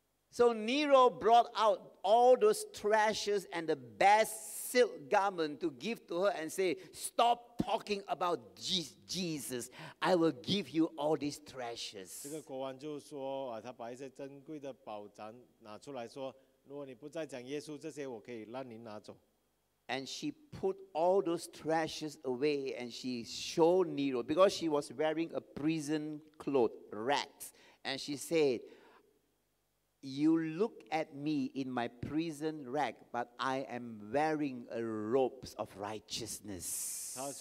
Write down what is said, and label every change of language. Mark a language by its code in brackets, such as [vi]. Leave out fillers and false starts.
[en] So Nero brought out all those treasures and the best silk garment to give to her and say, stop talking about Jesus. I will give you all these treasures. [zh] 这个国王就说，他把一些珍贵的宝藏拿出来说，如果你不再讲耶稣这些，我可以让你拿走。 [en] And she put all those treasures away and she showed Nero because she was wearing a prison cloth, rags. And she said, you look at me in my prison rag, but I am wearing a robe of righteousness.